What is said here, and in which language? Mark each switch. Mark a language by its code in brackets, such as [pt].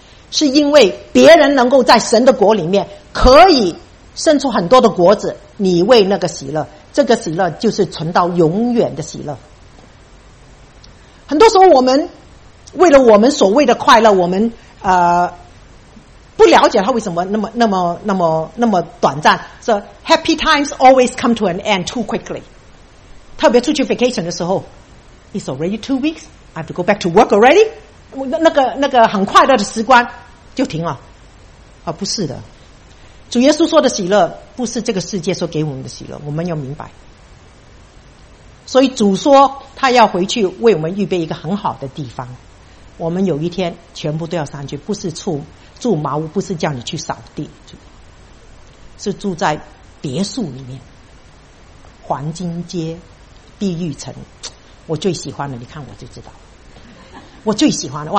[zh] 是因为别人能够在神的国里面可以生出很多的果子，你为那个喜乐，这个喜乐就是存到永远的喜乐。很多时候我们为了我们所谓的快乐，我们不了解它为什么那么短暂。 [en] So happy times always come to an end too quickly. [zh] 特别出去 vacation 的时候， [en] it's already 2 weeks. I have to go back to work already. [zh] 那个很快乐的时光就停了。不是的。主耶稣说的喜乐不是这个世界所给我们的喜乐，我们要明白。所以主说他要回去为我们预备一个很好的地方，我们有一天全部都要上去，不是住茅屋，不是叫你去扫地，是住在别墅里面，黄金街碧玉城，我最喜欢的，你看我就知道我最喜欢的。